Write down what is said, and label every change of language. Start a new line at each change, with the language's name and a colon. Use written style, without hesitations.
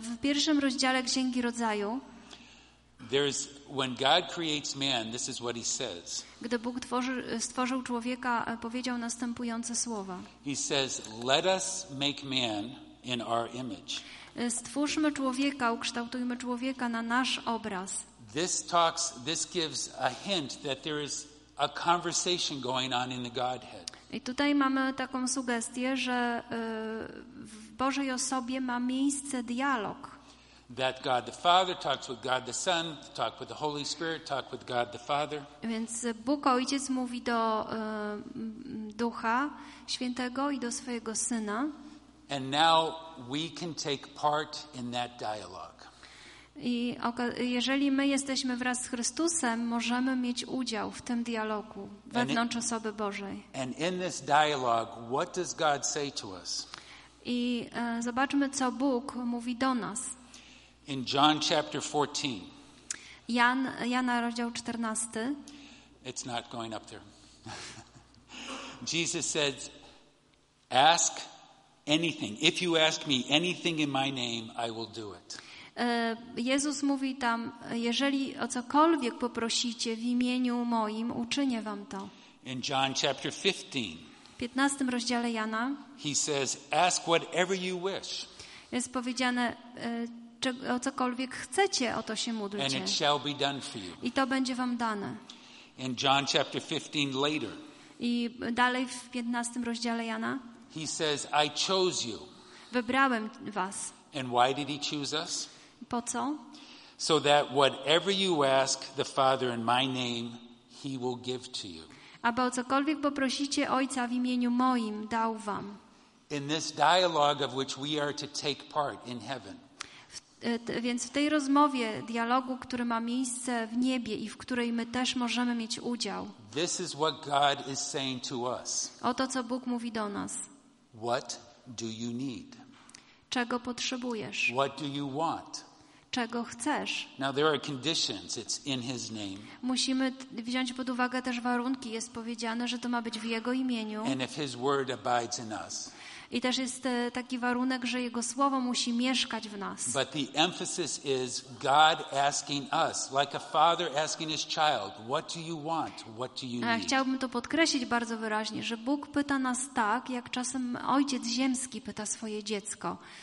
Polish: W pierwszym rozdziale Księgi Rodzaju.
English: When God creates man, this is what he says.
Polish: Gdy Bóg stworzył człowieka, powiedział następujące słowa.
English: He says, "Let us make man in our image."
Polish: Stwórzmy człowieka, ukształtujmy człowieka na nasz obraz.
English: This gives a hint that there is a conversation going on in the Godhead.
Polish: I tutaj mamy taką sugestię, że w Bożej osobie ma miejsce dialog.
English: That God the Father talks with God the Son, talk with the Holy Spirit, talk with God the Father.
Polish: Więc Bóg Ojciec mówi do Ducha Świętego i do swojego Syna.
English: And now we can take part in that dialogue.
Polish: I jeżeli my jesteśmy wraz z Chrystusem, możemy mieć udział w tym dialogu wewnątrz osoby Bożej.
English: And in this dialogue, what does God say to us?
Polish: I zobaczmy, co Bóg mówi do nas.
English: In John chapter 14.
Polish: Jana rozdział 14.
English: It's not going up there. Jesus says, "Ask anything. If you ask me anything in my name, I will do it."
Polish: Jezus mówi tam, jeżeli o cokolwiek poprosicie w imieniu moim, uczynię wam to.
English: In John chapter 15.
Polish: W 15 rozdziale Jana.
English: He says, "Ask whatever you wish."
Polish: Jest powiedziane, o cokolwiek chcecie, o to się módlcie.
English: And it shall be done for you.
Polish: I to będzie wam dane.
English: In John chapter 15 later.
Polish: I dalej w 15 rozdziale Jana.
English: He says, "I chose you."
Polish: Wybrałem was.
English: And why did he choose us?
Polish: Po co?
English: So that whatever you ask the Father in my name, he will give to you.
Polish: Aby o cokolwiek poprosicie Ojca w imieniu moim, dał wam.
English: In this dialogue of which we are to take part in heaven.
Polish: Więc w tej rozmowie, dialogu, który ma miejsce w niebie i w której my też możemy mieć udział.
English: This is what God is saying to us.
Polish: Oto co Bóg mówi do nas.
English: What do you need?
Polish: Czego potrzebujesz?
English: What do you want?
Polish: Czego chcesz?
English: Now there are conditions. It's in his name.
Polish: Musimy wziąć pod uwagę też warunki. Jest powiedziane, że to ma być w jego imieniu.
English: And if his word abides in us.
Polish: I też jest taki warunek, że Jego Słowo musi mieszkać w nas.
English: But the emphasis is God asking us, like a father asking his child, what do you want, what do you need?
Polish: Chciałbym to podkreślić bardzo wyraźnie, że Bóg pyta nas tak, jak czasem ojciec ziemski pyta swoje dziecko.